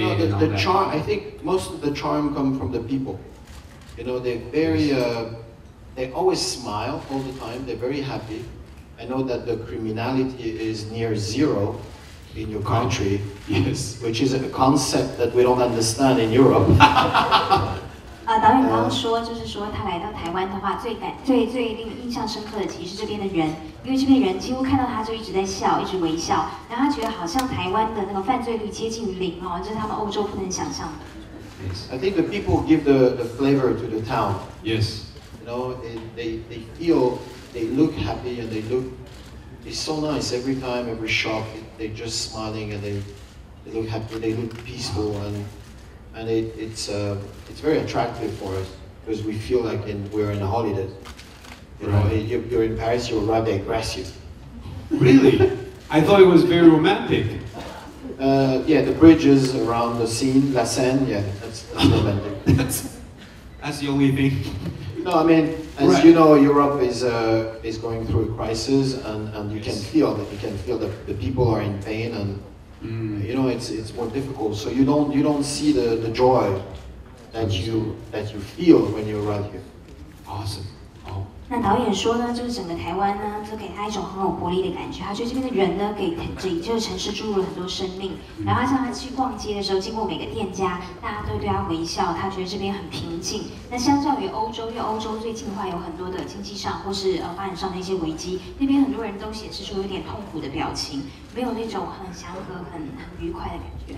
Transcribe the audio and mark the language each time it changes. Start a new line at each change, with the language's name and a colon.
English: No, the charm, I think most of the charm come from the people. You know, they're very, they always smile all the time. They're very happy. I know that the criminality is near zero in your country. Yes. Which is a concept that we don't understand in Europe.
Chinese: 导演刚刚说，就是说他来到台湾的话，最令印象深刻的其实是这边的人，因为这边人几乎看到他就一直在笑，一直微笑，然后他觉得好像台湾的那个犯罪率接近零哦，这、就是他们欧洲不能想象的。
English: I think the people give the flavor to the town. Yes. You know, they feel they look happy and they look it's so nice every time every shop they just smiling and they look happy they look peaceful and. And it's very attractive for us because we feel like we're in a holiday. You know, you're in Paris, you're rather aggressive. Really? I thought it was very romantic. Yeah, the bridges around the scene, La Seine, yeah, that's romantic. that's the only thing. No, I mean, as right. You know, Europe is going through a crisis and you can feel that. You can feel that the people are in pain and... You know, it's more difficult. So you don't see the joy that you feel when you arrive here. Awesome. Oh.
Chinese: 那导演说呢，就是整个台湾呢，都给他一种很有活力的感觉。他觉得这边的人呢，给这就是城市注入了很多生命。然后像他去逛街的时候，经过每个店家，大家都对他微笑。他觉得这边很平静。那相较于欧洲，因为欧洲最近的话有很多的经济上或是发展上的一些危机，那边很多人都显示出有点痛苦的表情。没有那种很祥和、很愉快的感觉。